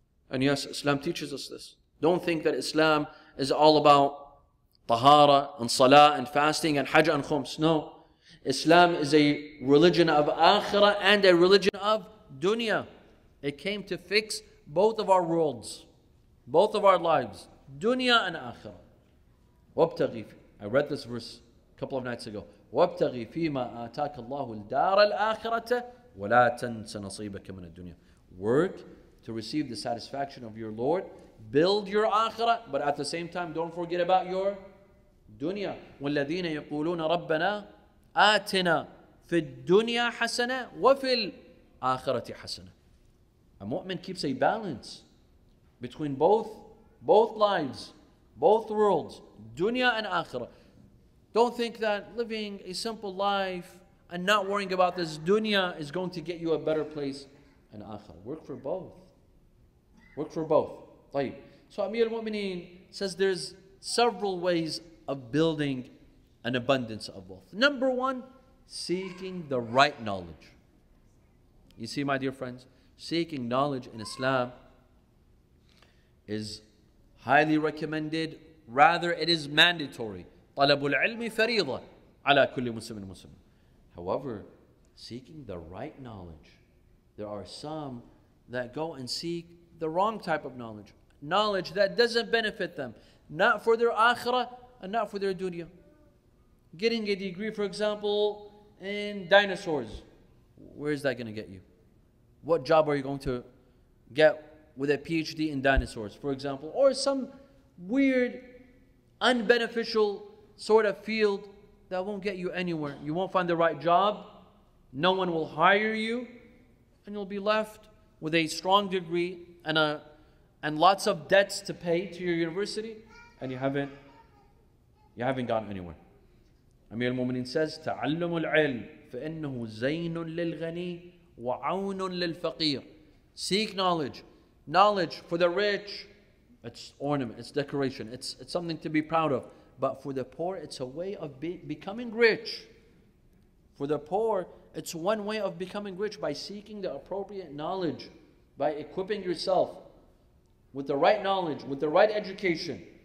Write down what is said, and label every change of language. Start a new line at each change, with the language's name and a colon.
English: And yes, Islam teaches us this. Don't think that Islam is all about tahara and salah and fasting and hajj and khums. No. Islam is a religion of akhirah and a religion of dunya. It came to fix both of our worlds, both of our lives, dunya and akhirah. وَابْتَغِي I read this verse a couple of nights ago.
Arabic: وَابْتَغِي فِي مَا آتَاكَ اللَّهُ الدَّارَ الْآخِرَةَ وَلَا تَنْسَ نَصِيبَكَ مِنَ الدُّنْيَا Work to receive the satisfaction of your Lord.
English: Build your akhirah, but at the same time, don't forget about your dunya. وَالَّذِينَ يَقُولُونَ رَبَّنَا آتِنَا فِي الدُّنْيَا حَسَنَةً وَفِي الْآخِرَةِ حَسَنَةً A mu'min keeps a balance between both lives, both worlds, dunya and akhirah. Don't think that living a simple life and not worrying about this dunya is going to get you a better place in akhirah. Work for both. Work for both. طيب. So Amir al-Mu'mineen says there's several ways of building an abundance of wealth. Number one, seeking the right knowledge. You see, my dear friends, seeking knowledge in Islam is highly recommended. Rather, it is mandatory.
Arabic: طلب العلم فريضة على كل مسلم مسلم.
English: However, seeking the right knowledge, there are some that go and seek the wrong type of knowledge. Knowledge that doesn't benefit them. Not for their akhirah and not for their dunya. Getting a degree, for example, in dinosaurs, where is that going to get you? What job are you going to get with a PhD in dinosaurs, for example? Or some weird, unbeneficial sort of field that won't get you anywhere. You won't find the right job, no one will hire you, and you'll be left with a strong degree and lots of debts to pay to your university, and you haven't gotten anywhere.
Arabic: Amir al-Mu'minin says, تَعَلَّمُ الْعِلْمِ فَإِنَّهُ زَيْنٌ لِلْغَنِي وَعَوْنٌ لِلْفَقِيرِ.
English: Seek knowledge. Knowledge for the rich, it's ornament, it's decoration, it's something to be proud of. But for the poor, it's a way of becoming rich. For the poor, it's one way of becoming rich by seeking the appropriate knowledge, by equipping yourself with the right knowledge, with the right education.